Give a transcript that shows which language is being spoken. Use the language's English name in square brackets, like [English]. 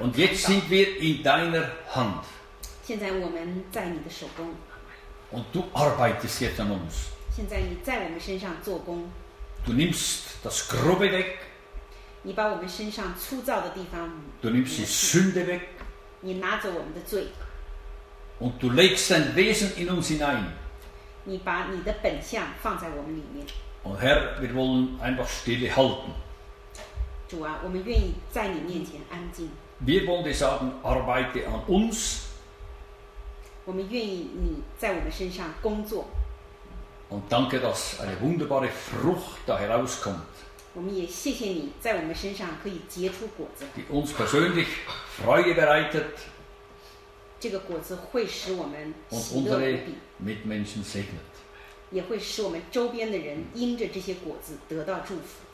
[German] Und jetzt sind wir in deiner Hand. [Chinese] 现在我们在你的手中。 [German] Und du arbeitest jetzt an uns. [Chinese] 现在你在我们身上做工。 [German] Du nimmst das grobe weg. [Chinese] 你把我们身上粗糙的地方。 [German] Du nimmst die Sünde weg. [Chinese] 你拿走我们的罪。 [German] Und du legst dein Wesen in uns hinein. [Chinese] 你把你的本相放在我们里面。 [German] Und Herr, wir wollen einfach stille halten. [Chinese] 主啊，我们愿意在你面前安静。 [German] Wir wollen dir sagen, arbeite an uns. [Chinese] 我们愿意你在我们身上工作。 [German] Und danke, dass eine wunderbare Frucht da herauskommt. [Chinese] 我们也谢谢你在我们身上可以结出果子。 [German] Die uns persönlich Freude bereitet. [Chinese] 这个果子会使我们喜乐无比。 [German] Und unsere Mitmenschen segnet. [Chinese] 也会使我们周边的人因着这些果子得到祝福。